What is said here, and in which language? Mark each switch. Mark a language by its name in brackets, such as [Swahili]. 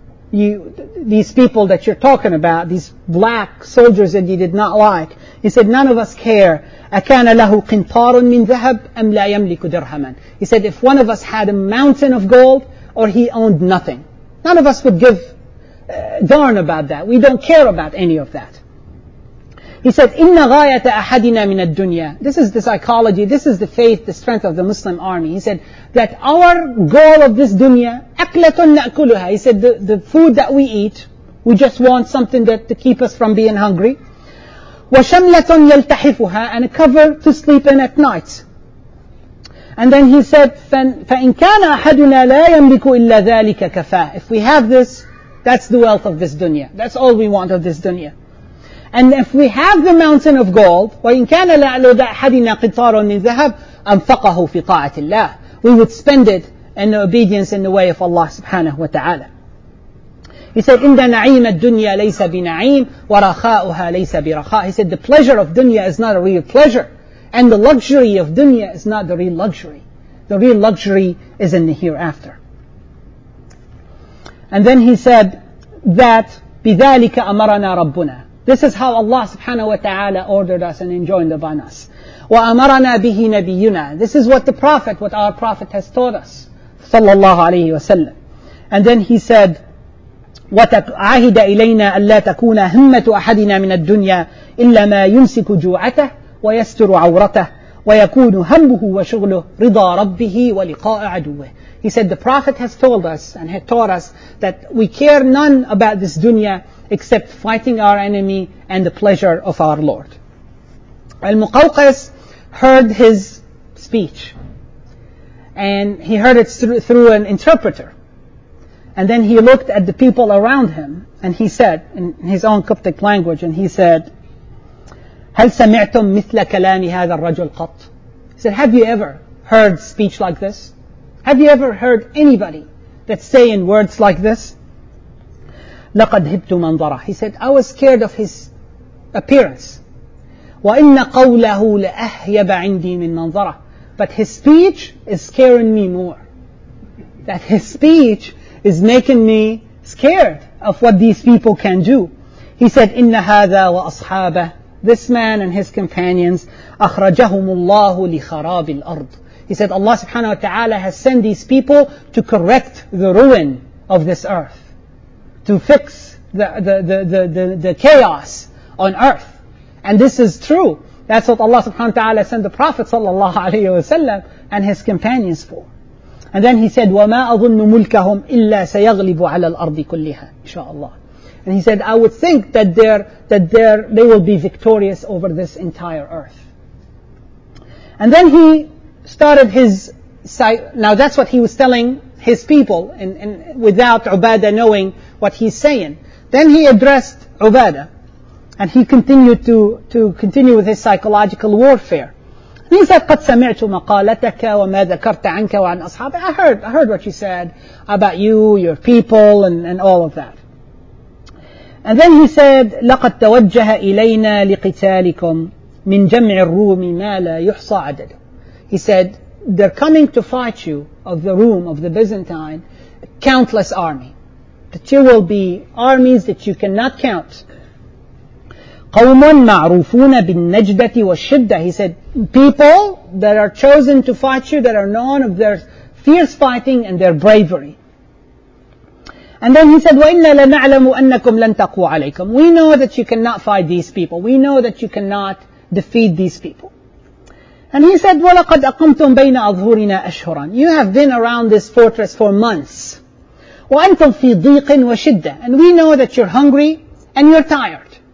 [English] You, these people that you're talking about, these black soldiers that you did not like, he said, none of us care. [Arabic] أَكَانَ لَهُ قِنْطَارٌ مِّنْ ذَهَبٍ أَمْ لَا يَمْلِكُ دِرْهَمًا. [English] He said, if one of us had a mountain of gold, or he owned nothing, none of us would give darn about that. We don't care about any of that. He said, [Arabic] إِنَّ غَايَةَ أَحَدِنَا مِنَ الدُّنْيَا. [English] This is the psychology, this is the faith, the strength of the Muslim army. He said, that our goal of this dunya, [Arabic] أَكْلَةٌ نَأْكُلُهَا. [English] He said, the food that we eat, we just want something that to keep us from being hungry. [Arabic] وَشَمْلَةٌ يَلْتَحِفُهَا. [English] And a cover to sleep in at night. And then he said, [Arabic] فَإِنْ كَانَ أَحَدُنَا لَا يَمْلِكُ إِلَّا ذَلِكَ كَفَاهُ. [English] If we have this, that's the wealth of this dunya. That's all we want of this dunya. And if we have the mountain of gold, [Arabic] وَإِنْ كَانَ لَعْلُدَ أَحَدِنَا قِطَارٌ مِنْ ذَهَبٍ أَنْفَقَهُ فِي طَاعَةِ اللَّهِ, [English] we would spend it in obedience in the way of Allah subhanahu wa ta'ala. He said, [Arabic] إِنَّ نَعِيمَ الدُّنْيَا لَيْسَ بِنَعِيمٍ وَرَخَاؤُهَا لَيْسَ بِرَخَاءٍ. [English] He said, the pleasure of dunya is not a real pleasure. And the luxury of dunya is not the real luxury. The real luxury is in the hereafter. And then he said that, [Arabic] بِذَلِكَ أَمَرَنَا رَبُّنَا. [English] This is how Allah subhanahu wa ta'ala ordered us and enjoined upon us. [Arabic] وَأَمَرَنَا بِهِ نَبِيُّنَا. [English] This is what the Prophet, what our Prophet has taught us. [Arabic] صَلَّى اللَّهُ عَلَيْهِ وَسَلَّمْ. [English] And then he said, [Arabic] وَتَعَاهِدَ إِلَيْنَا أَلَّا تَكُونَ هِمَّةُ أَحَدِنَا مِنَ الدُّنْيَا إِلَّا مَا يُمْسِكُ جُوعَتَهُ وَيَسْتُرُ عَوْرَتَهُ وَيَكُونُ هَمُّهُ وَشُغْلُهُ رِضَى رَبِّهِ وَلِقَاءَ عَدُوِّهِ. [English] He said, the Prophet has told us and had taught us that we care none about this dunya except fighting our enemy and the pleasure of our Lord. Al-Muqawqas heard his speech, and he heard it through an interpreter. And then he looked at the people around him, and he said, in his own Coptic language, and he said, [Arabic] هَلْ سَمِعْتُمْ مِثْلَ كَلَامِ هَذَا الرَّجُلْ قَطْ. [English] He said, have you ever heard speech like this? Have you ever heard anybody that say in words like this? [Arabic] لَقَدْ هِبْتُ مَنْظَرَهُ. [English] He said, I was scared of his appearance. [Arabic] وَإِنَّ قَوْلَهُ لَأَهْيَبَ عِنْدِي مِنْ مَنْظَرَهُ. [English] But his speech is scaring me more. That his speech is making me scared of what these people can do. He said, [Arabic] إِنَّ هَذَا وَأَصْحَابَهُ. [English] This man and his companions, [Arabic] أَخْرَجَهُمُ اللَّهُ لِخَرَابِ الْأَرْضِ. [English] He said, Allah subhanahu wa ta'ala has sent these people to correct the ruin of this earth, to fix the chaos on earth. And this is true. That's what Allah subhanahu wa ta'ala sent the Prophet sallallahu alayhi wa sallam and his companions for. And then he said, [Arabic] وَمَا أَظُنُّ مُلْكَهُمْ إِلَّا سَيَغْلِبُ عَلَى الْأَرْضِ كُلِّهَا inshaAllah. [English] And he said, I would think that they will be victorious over this entire earth. And then he started his, now that's what he was telling his people, and without Ubadah knowing what he's saying. Then he addressed Ubadah, and he continued to continue with his psychological warfare. And he said, [Arabic] قَدْ سَمِعْتُ مَقَالَتَكَ وَمَا ذَكَرْتَ عَنْكَ وَعَنْ أَصْحَابِكَ. [English] I heard what you said about you, your people, and all of that. And then he said, [Arabic] لَقَدْ تَوَجَّهَ إِلَيْنَا لِقِتَالِكُمْ مِنْ جَمْعِ الرُّومِ مَا لَا يُحْصَى عَدَدُ. [English] He said, they're coming to fight you of the Rome, of the Byzantine, countless army. That you will be armies that you cannot count. [Arabic] قَوْمٌ مَعْرُوفُونَ بِالنَّجْدَةِ وَالشِّدَّةِ. [English] He said, people that are chosen to fight you, that are known of their fierce fighting and their bravery. And then he said, [Arabic] وَإِنَّا لَنَعْلَمُ أَنَّكُمْ لَنْ تَقْوَ عَلَيْكُمْ. [English] We know that you cannot fight these people. We know that you cannot defeat these people. And he said, [Arabic] وَلَقَدْ أَقَمْتُمْ بَيْنَ أَظْهُورِنَا أَشْهُرًا. [English] You have been around this fortress for months. [Arabic] وَأَنْتُمْ فِي ضِيقٍ وَشِدَّةٍ. [English] And we know that you're hungry and you're tired.